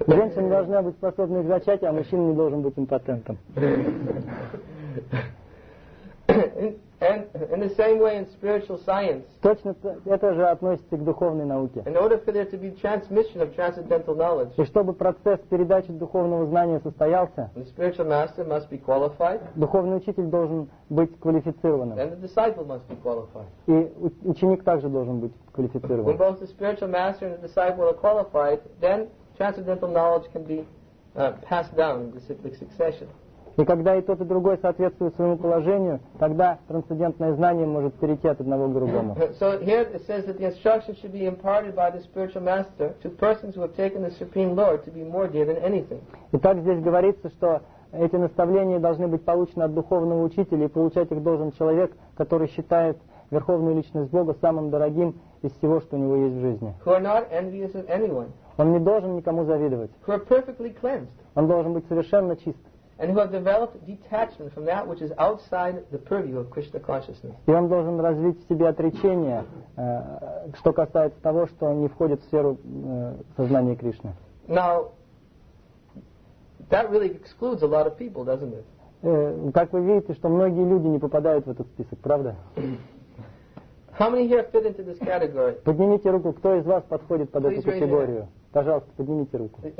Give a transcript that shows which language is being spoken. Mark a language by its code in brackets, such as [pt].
[ru] Женщина должна быть способной к зачатию, а мужчина не должен быть импотентом. [en] And in the same way in spiritual science. [ru] Точно это же относится к духовной науке. [en] In order for there to be transmission of transcendental knowledge. [ru] И чтобы процесс передачи духовного знания состоялся. [en] The spiritual master must be qualified. [ru] Духовный учитель должен быть квалифицированным. [en] And the disciple must be qualified. [ru] И ученик также должен быть квалифицирован. [en] When both the spiritual master and the disciple are qualified, then transcendental knowledge can be passed down in the cyclic succession. [ru] И когда и тот, и другой соответствует своему положению, тогда трансцендентное знание может перейти от одного к другому. [en] So here it says that the instruction should be imparted by the spiritual master to persons who have taken the Supreme Lord to be more dear than anything. [ru] Итак, здесь говорится, что эти наставления должны быть получены от духовного учителя, и получать их должен человек, который считает Верховную Личность Бога самым дорогим из всего, что у него есть в жизни. [en] Who are not envious of anyone. [ru] Он не должен никому завидовать. [en] Who are perfectly cleansed. [ru] Он должен быть совершенно чист. [en] And who have developed detachment from that which is outside the purview of Krishna consciousness. [ru] И он должен развить в себе отречение, что касается того, что не входит в сферу сознания Кришны. [en] Now, That really excludes a lot of people, doesn't it? [ru] Как вы видите, что многие люди не попадают в этот список, правда? [en] How many here fit into this category? [ru] Поднимите руку, кто из вас подходит под эту категорию. Пожалуйста, поднимите руку.